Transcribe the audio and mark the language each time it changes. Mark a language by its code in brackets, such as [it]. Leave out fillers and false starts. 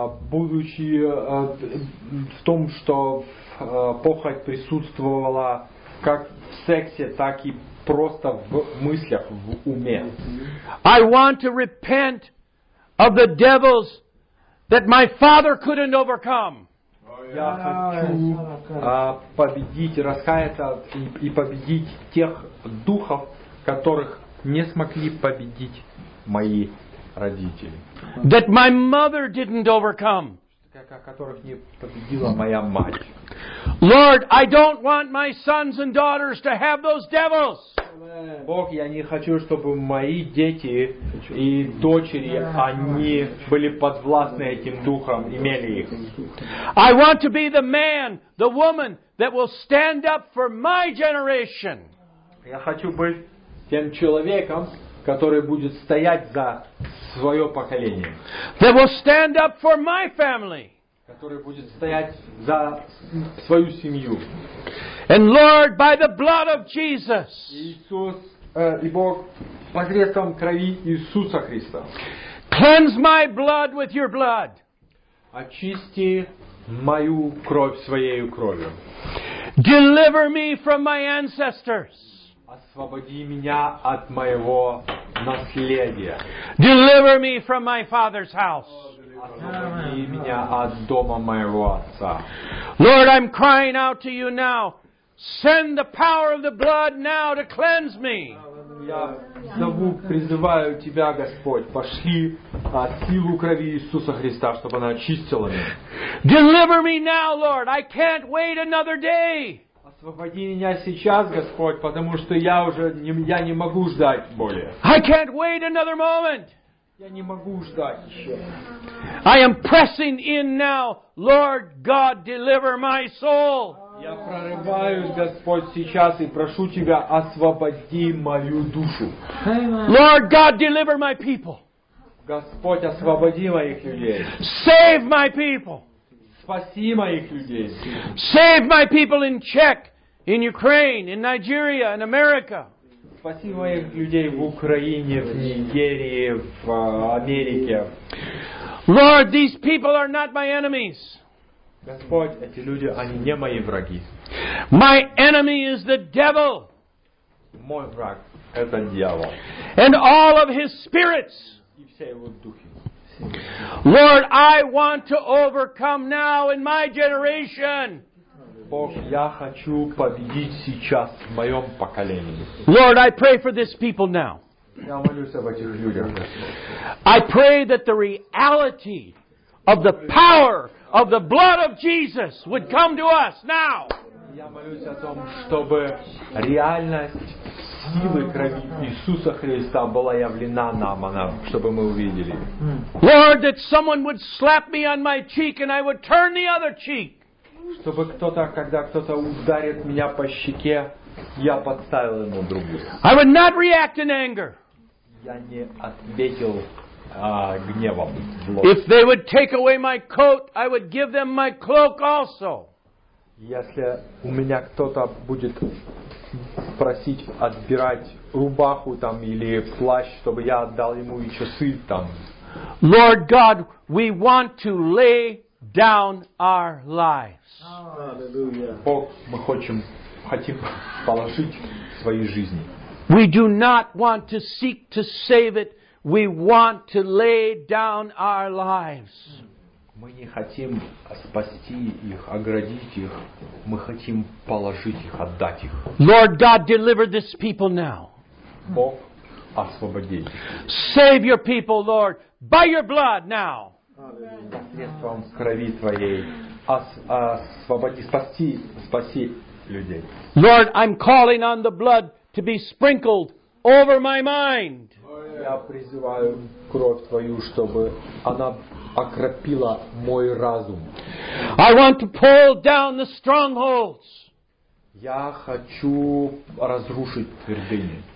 [ru] Будучи в том, что похоть присутствовала как в сексе, так и просто в мыслях, в уме. [en] I want to repent of the devils that my father couldn't overcome. [ru] Я хочу победить, раскаяться и победить тех духов, которых не смогли победить мои родители. [en] That my mother didn't overcome. [ru] Которых не победила моя мать. [en] Lord, I don't want my sons and daughters to have those devils. [ru] Бог, я не хочу, чтобы мои дети и дочери, они были подвластны этим духам, имели их. [en] I want to be the man, the woman that will stand up for my generation. [ru] Я хочу быть тем человеком, который будет стоять за свое поколение. [en] That will stand up for my family. [ru] Который будет стоять за свою семью. [en] And Lord, by the blood of Jesus. [ru] Иисус, и Бог, посредством крови Иисуса Христа. [en] Cleanse my blood with your blood. [ru] Очисти мою кровь своей кровью. [en] Deliver me from my ancestors. [ru] Освободи меня от моего наследия. [en] Deliver me from my father's house. [ru] Освободи меня от дома моего отца. [en] Lord, I'm crying out to you now. Send the power of the blood now to cleanse me. [ru] Я зову, призываю тебя, Господь, пошли силу крови Иисуса Христа, чтобы она очистила меня. [en] Deliver me now, Lord. I can't wait another day. [ru] Освободи меня сейчас, Господь, потому что я уже не могу ждать более. [en] I can't wait another moment. [ru] Я не могу ждать еще. [en] I am pressing in now, Lord God, deliver my soul. [ru] Я прорываюсь, Господь, сейчас и прошу Тебя, освободи мою душу. [en] Lord God, deliver my people. [ru] Господь, освободи моих людей. [en] Save my people. [ru] Спаси моих людей. [en] Save my people in Czech, in Ukraine, in Nigeria, in America. [ru] Спаси моих людей в Украине, в Нигерии, в Америке. [en] Lord, these people are not my enemies. [ru] Господь, эти люди, они не мои враги. [en] My enemy is the devil. [ru] Мой враг — это дьявол. [en] And all of his spirits. [ru] И все его духи. [en] Lord, I want to overcome now in my generation. [ru] Бог, я хочу победить сейчас в моем поколении. [en] Lord, I pray for this people now. [ru] Я молюсь об этих людях. [en] I pray that the reality of the power of the blood of Jesus would come to us now. [ru] Я молюсь о том, чтобы реальность силы крови Иисуса Христа была явлена нам, чтобы мы увидели. [en] Lord, that someone would slap me on my cheek and I would turn the other cheek. [ru] Чтобы кто-то, когда кто-то ударит меня по щеке, я подставил ему другую. [en] I would not react in anger. [ru] Я не ответил гневом. [en] If they would take away my coat, I would give them my cloak also. [ru] Если у меня кто-то будет просить отбирать рубаху там или плащ, чтобы я отдал ему и часы там. [en] Lord God, we want to lay down our lives. Hallelujah. [ru] Бог, мы хотим положить свои жизни. [en] We do not want to seek to save it. We want to lay down our lives. [ru] Мы не хотим спасти их, оградить их. Мы хотим положить их, отдать их. [en] Lord God, deliver this people now. [ru] Бог, освободи. [en] Save your people, Lord, by your blood now. [ru] Посредством крови твоей освободи, спаси людей. [en] Lord, I'm calling on the blood to be sprinkled over my mind. [ru] Я призываю кровь твою, чтобы она окропила мой разум. [en] I want to pull down the strongholds. [ru] Я хочу разрушить твердыни.